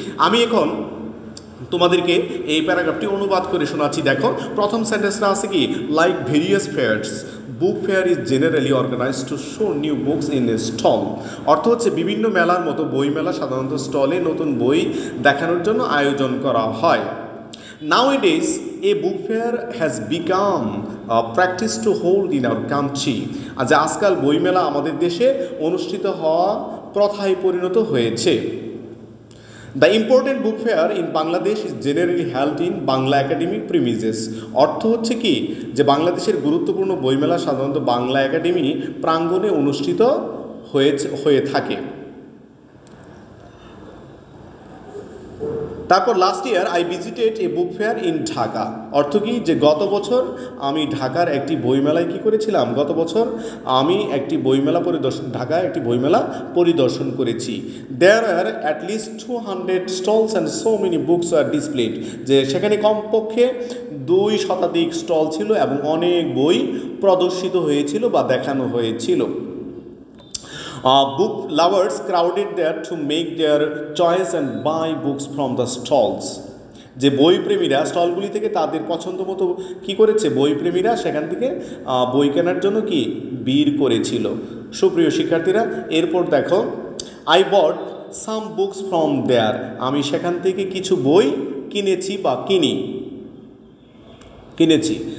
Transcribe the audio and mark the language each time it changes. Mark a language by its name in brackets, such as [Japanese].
[Bangla] আমি এখন তোমাদেরকে এই প্যারাগ্রাফটি অনুবাদ করে শোনাচ্ছি। দেখো প্রথম সেন্টেন্সটা আছে কি, [English] Like various fairs book fair is generally organised to show new books in a stall. [Bangla] অর্থ হচ্ছে বিভিন্ন মেলার মতো বই মেলা সাধারণত স্টলে নতুন বই দেখানোর জন্য আয়োজন করা হয়। [English] Nowadays, a book fair has become a practice to hold in our country. [Bangla] আজ আজকাল বই মেলা আমাদের দেশে অনুষ্ঠিত হওয়া প্রথায় পরিণত হয়েছে। [English] The important book fair in Bangladesh is generally held in Bangla Academy premises. [Bangla] অর্থ হচ্ছে কি যে বাংলাদেশের গুরুত্বপূর্ণ বইমেলা সাধারণত বাংলা একাডেমি প্রাঙ্গণে অনুষ্ঠিত হয়ে থাকে। তারপর [English] Last year I visited a book fair in Dhaka. [Bangla] অর্থ কি যে গত বছর আমি ঢাকার একটি বইমেলায় কি করেছিলাম, গত বছর আমি একটি বইমেলা পরিদর্শন ঢাকায় একটি বইমেলা পরিদর্শন করেছি। [English] there are at least 200 stalls and so many books are displayed, [Bangla] যে সেখানে কমপক্ষে 200 স্টল ছিল এবং অনেক বই প্রদর্শিত হয়েছিল বা দেখানো হয়েছিল। [English] Book lovers crowded there to make their choice and buy books from the stalls. [Bangla] যে বইপ্রেমীরা স্টলগুলি থেকে তাদের পছন্দ মতো কী করেছে, বইপ্রেমীরা সেখান থেকে বই কেনার জন্য কি ভিড় করেছিল। সুপ্রিয় শিক্ষার্থীরা, এরপর দেখো [English] I bought some books from there, [Bangla] আমি সেখান থেকে কিছু বই কিনেছি বা কিনেছি।